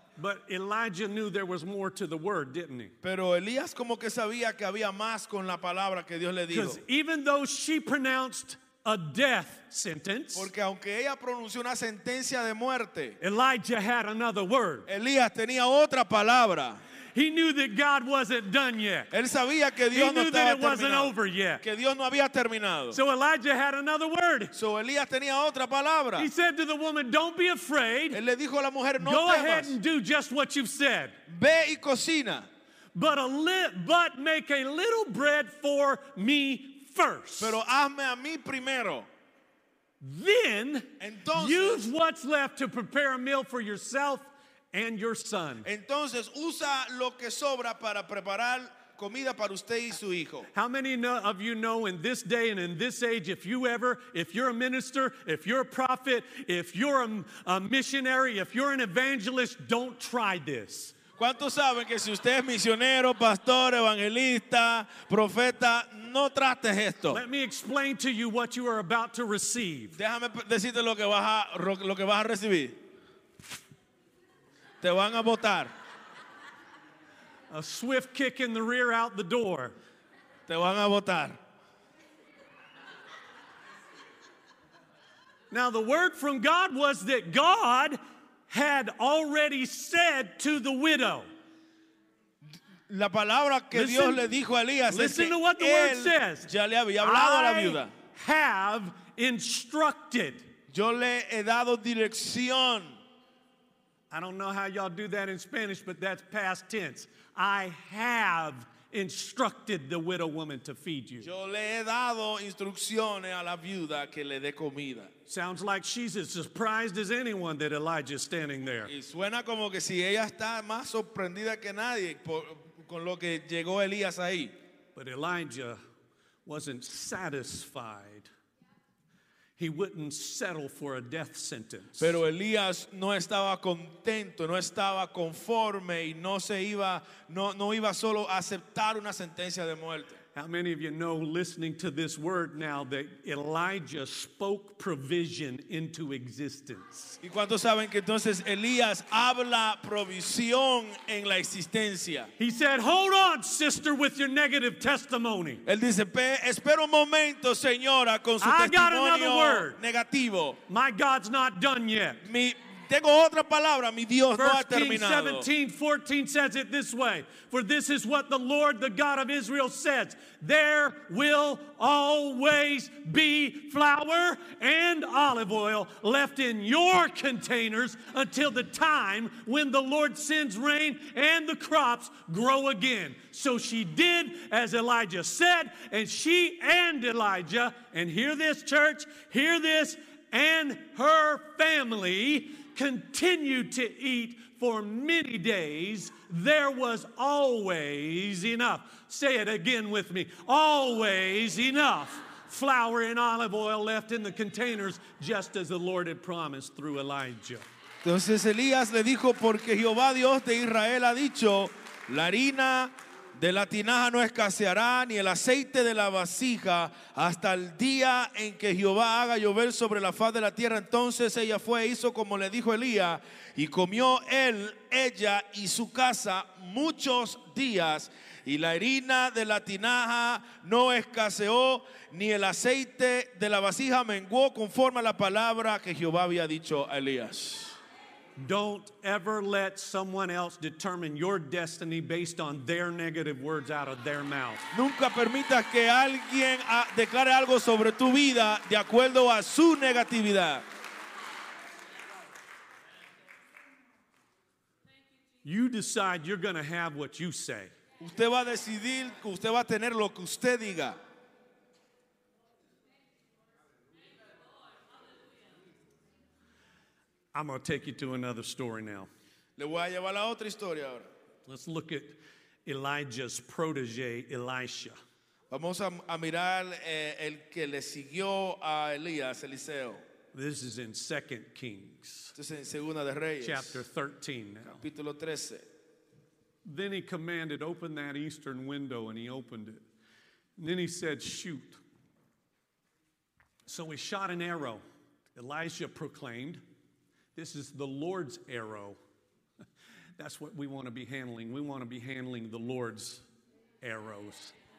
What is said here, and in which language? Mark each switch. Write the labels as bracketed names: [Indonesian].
[English] But Elijah knew there was more to the word, didn't he? [Spanish] Pero Elías como que sabía que había más con la palabra que Dios le dijo. [English] Because even though she pronounced a death sentence, [Spanish] porque aunque ella pronunció una sentencia de muerte, [English] Elijah had another word. [Spanish] Elías tenía otra palabra. [English] He knew that God wasn't done yet. [Spanish] Él sabía que Dios no estaba [English] He knew that it wasn't over yet. [Spanish] Que Dios no había terminado. [English] So Elijah had another word. So [Spanish] Elías tenía otra palabra. [English] He said to the woman, "Don't be afraid." [Spanish] Él le dijo a la mujer, no [English] Go [Spanish] temas. [English] Ahead and do just what you've said. [Spanish] Ve y cocina. [English] But make a little bread for me first. [Spanish] Pero hazme a mí primero. [English] Then [Spanish] entonces, [English] use what's left to prepare a meal for yourself and your son. [Spanish] Entonces usa lo que sobra para preparar comida para usted y su hijo. [English] How many of you know in this day and in this age, if you're a minister, if you're a prophet, if you're a missionary, if you're an evangelist, don't try this. [Spanish] ¿Cuántos saben que si usted es misionero, pastor, evangelista, profeta, no trates esto? [English] Let me explain to you what you are about to receive. [Spanish] Déjame decirte lo que vas a recibir. Te van a botar. [English] A swift kick in the rear out the door. [Spanish] Te van a botar. [English] Now the word from God was that God had already said to the widow. [Spanish] La palabra que [English] listen, [Spanish] Dios le dijo a Elías es que [English] to what the [Spanish] él [English] word says. [Spanish] Ya le había hablado a la viuda. [English] I have instructed. [Spanish] Yo le he dado dirección. [English] I don't know how y'all do that in Spanish, but that's past tense. I have instructed the widow woman to feed you. [Spanish] Yo le he dado instrucciones a la viuda que le dé comida. [English] Sounds like she's as surprised as anyone that Elijah's standing there. [Spanish] Y suena como que si ella está más sorprendida que nadie con lo que llegó Elías ahí. [English] But Elijah wasn't satisfied. He wouldn't settle for a death sentence. [Spanish] Pero Elías no estaba contento, no estaba conforme y no iba solo a aceptar una sentencia de muerte. [English] How many of you know, listening to this word now, that Elijah spoke provision into existence? [Spanish] ¿Y cuántos saben que entonces Elías habla provisión en la existencia? [English] He said, "Hold on, sister, with your negative testimony." [Spanish] Él dice, espera un momento, señora, con su testimonio negativo. [English] My God's not done yet. [Spanish] Tengo otra palabra, mi Dios no ha terminado. [English] 17:14 says it this way: "For this is what the Lord, the God of Israel, says: There will always be flour and olive oil left in your containers until the time when the Lord sends rain and the crops grow again." So she did as Elijah said, and she and Elijah, and hear this, church, hear this, and her family continued to eat for many days. There was always enough. Say it again with me. Always enough flour and olive oil left in the containers, just as the Lord had promised through Elijah. [Spanish] Entonces Elías le dijo, porque Jehová Dios de Israel ha dicho, la harina de la tinaja no escaseará, ni el aceite de la vasija, hasta el día en que Jehová haga llover sobre la faz de la tierra. Entonces ella fue e hizo como le dijo Elías, y comió él, ella y su casa muchos días, y la harina de la tinaja no escaseó, ni el aceite de la vasija menguó, conforme a la palabra que Jehová había dicho a Elías. [English] Don't ever let someone else determine your destiny based on their negative words out of their mouth. [Spanish] Nunca permitas que alguien declare algo sobre tu vida de acuerdo a su negatividad. [English] You decide you're going to have what you say. [Spanish] Usted va a decidir, usted va a tener lo que usted diga. [English] I'm going to take you to another story now. [Spanish] Le voy a llevar la otra historia ahora. [English] Let's look at Elijah's protege, Elisha. [Spanish] Vamos a mirar el que le siguió a Elías, Eliseo. [English] This is in 2 Kings. [Spanish] Esto es en Segunda de Reyes. [English] Chapter 13 now. [Spanish] Capítulo 13. [English] Then he commanded, "Open that eastern window," and he opened it. And then he said, "Shoot." So he shot an arrow. Elisha proclaimed, "This is the Lord's arrow." That's what we want to be handling. We want to be handling the Lord's arrows.